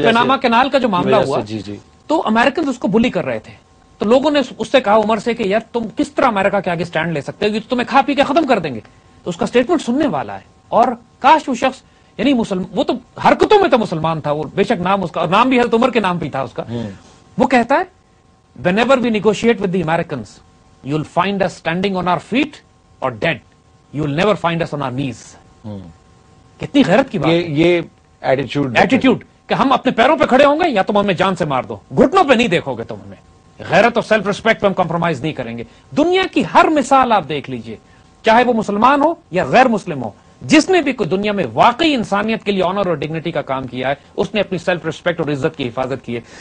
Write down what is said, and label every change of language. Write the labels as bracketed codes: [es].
[ur] جب Panama canal کا جو معاملہ ہوا تو امریکنز اس کو بلی کر رہے تھے, تو لوگوں نے اس سے کہا عمر سے کہ یار تم کس طرح امریکہ کے آگے سٹینڈ لے سکتے ہو, یہ تو تمہیں کھا پی کے ختم کر دیں گے. تو اس کا سٹیٹمنٹ سننے والا ہے, اور کاش وہ شخص یعنی مسلمان, وہ تو حرکتوں میں تو مسلمان تھا, وہ بے شک نام اس کا اور نام بھی حضرت عمر کے نام پہ تھا اس کا. وہ کہتا ہے [en] whenever we negotiate with the Americans you'll find us standing on our feet or dead, you'll never find us on our knees. [ur] کتنی غیرت کی بات, یہ ایٹیٹیوڈ کہ ہم اپنے پیروں پہ کھڑے ہوں گے یا تم ہمیں جان سے مار دو, گھٹنوں پہ نہیں دیکھو گے تم ہمیں, غیرت اور سیلف ریسپیکٹ پہ ہم کمپرومائز نہیں کریں گے. دنیا کی ہر مثال آپ دیکھ لیجئے, چاہے وہ مسلمان ہو یا غیر مسلم ہو, جس نے بھی کوئی دنیا میں واقعی انسانیت کے لیے آنر اور ڈگنیٹی کا کام کیا ہے اس نے اپنی سیلف ریسپیکٹ اور عزت کی حفاظت کی ہے.